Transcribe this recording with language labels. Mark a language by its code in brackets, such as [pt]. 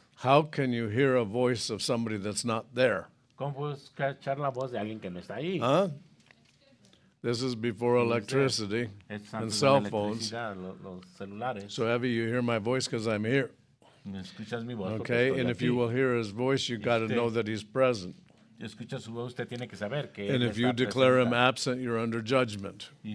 [en] How can you hear a voice of somebody that's not there? [es] ¿Cómo puedes escuchar la voz de alguien que no está ahí? [en] Huh? This is before electricity and cell phones. So Evie, you hear my voice because I'm here. Okay, and if you will hear his voice, you've got to know that he's present. And if you declare him absent, you're under judgment.